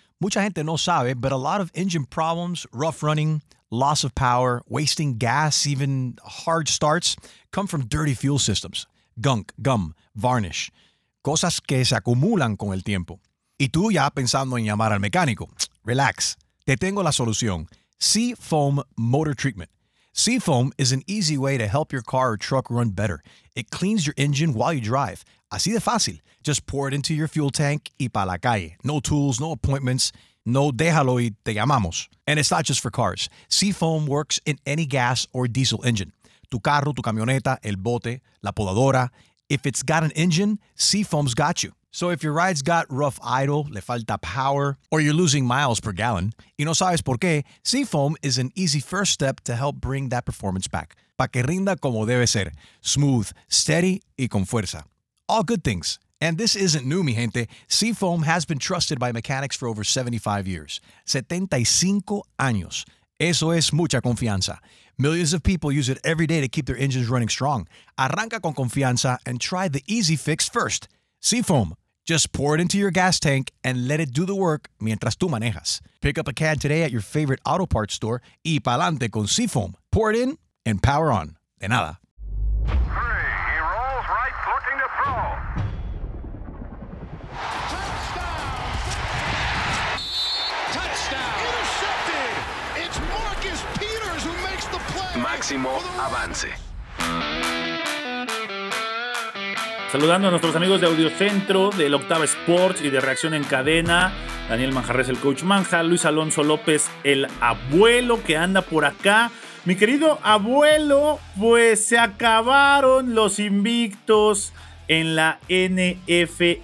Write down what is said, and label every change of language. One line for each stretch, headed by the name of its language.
Spanish: Mucha gente no sabe,
English: but a lot of engine problems, rough running, loss of power, wasting gas, even hard starts, come from dirty fuel systems. Gunk, gum, varnish.
Spanish: Cosas que se acumulan con el tiempo. Y tú ya pensando en llamar al mecánico. Relax, te tengo la solución.
English: Seafoam Motor Treatment. Seafoam is an easy way to help your car or truck run better. It cleans your engine while you drive.
Spanish: Así de fácil.
English: Just pour it into your fuel tank
Spanish: y pa' la calle.
English: No tools, no appointments.
Spanish: No déjalo y te llamamos.
English: And it's not just for cars. Seafoam works in any gas or diesel engine.
Spanish: Tu carro, tu camioneta, el bote, la podadora.
English: If it's got an engine, Seafoam's got you. So if your ride's got rough idle,
Spanish: le falta
English: power, or you're losing miles per gallon,
Spanish: y no sabes por qué,
English: Seafoam is an easy first step to help bring that performance back.
Spanish: Pa' que rinda como debe ser.
English: Smooth, steady,
Spanish: y con fuerza.
English: All good things. And this isn't new,
Spanish: mi gente.
English: Seafoam has been trusted by mechanics for over 75 years.
Spanish: 75 años. Eso es mucha confianza.
English: Millions of people use it every day to keep their engines running strong.
Spanish: Arranca con confianza
English: and try the easy fix first. Seafoam. Just pour it into your gas tank and let it do the work
Spanish: mientras tú manejas.
English: Pick up a can today at your favorite auto parts store
Spanish: y pa'lante
English: con Seafoam. Pour it in and power on.
Spanish: De nada.
English: Three, he rolls right, looking to throw. Touchdown! Touchdown! Intercepted! It's Marcus Peters who makes the play.
Spanish: Máximo avance. Saludando a nuestros amigos de Audiocentro, del Octava Sports y de Reacción en Cadena. Daniel Manjarres, el Coach Manja. Luis Alonso López, el abuelo que anda por acá. Mi querido abuelo, pues se acabaron los invictos en la NFL.